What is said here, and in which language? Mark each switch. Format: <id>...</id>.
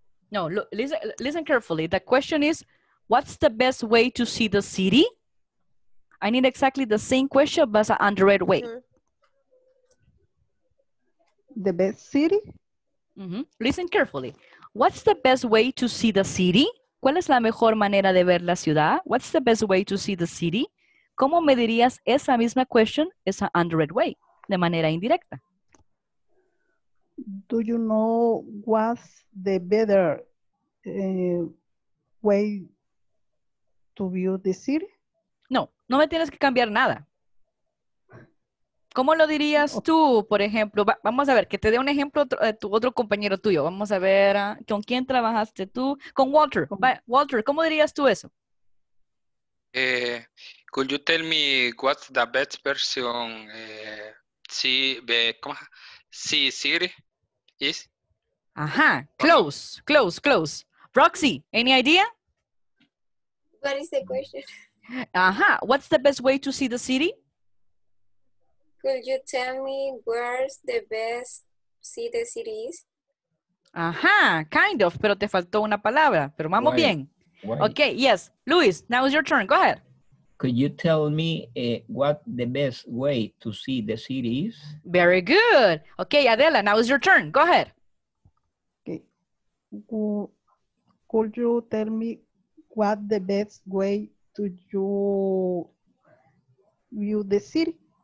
<en>No, look, listen carefully. The question is, what's the best way to see the city? I need exactly the same question, but an indirect way. Mm-hmm. The best city? Mm-hmm. Listen carefully. What's the best way to see the city?</en> <es>¿Cuál es la mejor manera de ver la ciudad?</es> <en>What's the best way to see the city?</en> <es>¿Cómo me dirías esa misma question, esa</es> <en>indirect way,</en> <es>de manera indirecta?</es> <en>Do you know what's the better way to view the city?</en> <es>No, no me tienes que cambiar nada. ¿Cómo lo dirías tú, por ejemplo? Vamos a ver, que te dé un ejemplo de tu otro compañero tuyo. Vamos a ver, ¿con quién trabajaste tú? Con Walter. Walter, ¿cómo dirías tú eso?</es> <en>Could you tell me what's the best version see city is? Ajá, close. Roxy, any idea? What is the question? Ajá, what's the best way to see the city? Could you tell me where's the best see the city is?</en> <es>Ajá,</es> <en>kind of,</en> <es>pero te faltó una palabra, pero vamos Why?</es> <en>Bien. Why? Okay, yes. Luis, now it's your turn. Go ahead. Could you tell me what the best way to see the city is? Very good. Okay, Adela, now it's your turn. Go ahead. Okay. Could you tell me what the best way to view the city?</en>